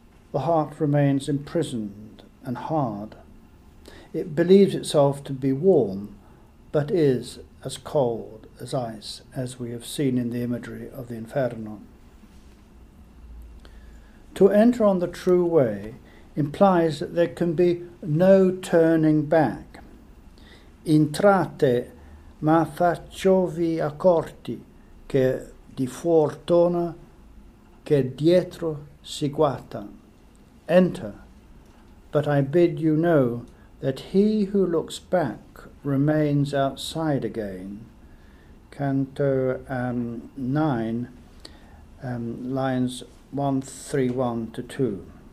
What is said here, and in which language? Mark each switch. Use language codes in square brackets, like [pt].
[en] The heart remains imprisoned and hard. It believes itself to be warm, but is as cold as ice, as we have seen in the imagery of the Inferno. To enter on the true way implies that there can be no turning back. [it] Intrate, ma facciovi accorti, che di fuor torna, che dietro si guata. [en] Enter, but I bid you know that he who looks back remains outside again. Canto 9, lines 131 to 2.